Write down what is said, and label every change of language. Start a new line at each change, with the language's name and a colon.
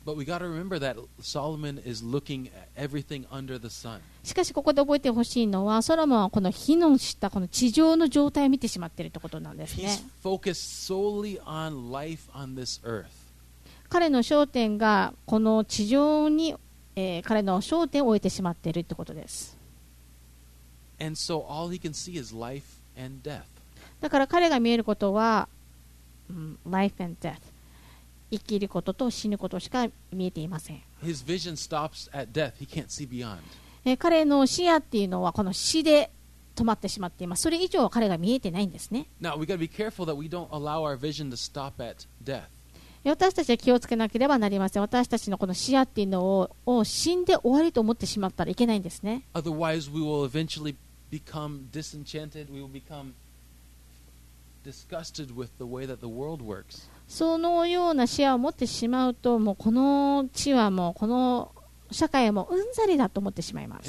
English: But we gotta remember that Solomon is looking at everything under the sun.
Japanese: しかしここで覚えてほしいのはソロモンはこの火の下この地上の状態を見てしまっているということなんですね。
English: He's focused solely on life on this earth.
Japanese: 彼の焦点がこの地上に、彼の焦点を置いてしまっているということです。
English: And so all he can see is life and death.
Japanese: だから彼が見えることは、
English: life and death.
Japanese: 生きることと死ぬことしか見えていません。
English: His vision stops at death. He can't see beyond.
Japanese: 彼の視野っていうのはこの死で止まってしまっています。それ以上は彼が見えてないんですね。
English: Now, we've got to be careful that we don't allow our vision to stop at death.
Japanese: 私たちは気をつけなければなりません。私たちのこの視野っていうのを死んで終わりと思ってしまったらいけないんですね。
English: Otherwise, we will eventually become disenchanted. We will becomeDisgusted with the way that the world works.
Japanese: そのような視野を持ってしまうと、もうこの地はもうこの社会もうんざりだと思ってしまいます